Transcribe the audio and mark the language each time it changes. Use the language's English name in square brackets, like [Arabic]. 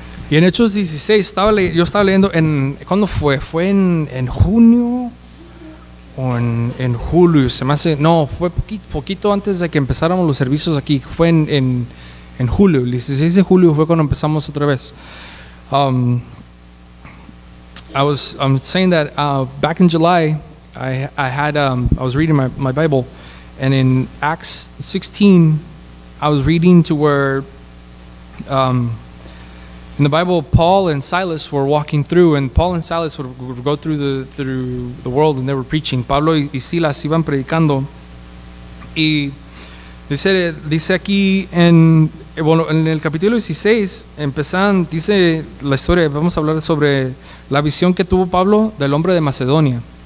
[Spanish] Y en Hechos 16, yo estaba leyendo en... ¿Cuándo fue? ¿Fue en junio o en julio? Se me hace... No, fue poquito antes de que empezáramos los servicios aquí. Fue en julio, el 16 de julio fue cuando empezamos otra vez. [English] I'm saying that back in July, I was reading my Bible. And in Acts 16, I was reading to where... In the Bible, Paul and Silas were walking through, and Paul and Silas would go through the world, and they were preaching. [Spanish] Pablo y Silas iban predicando, y dice aquí en el capítulo 16, dice la historia, vamos a hablar sobre la visión que tuvo Pablo del hombre de Macedonia.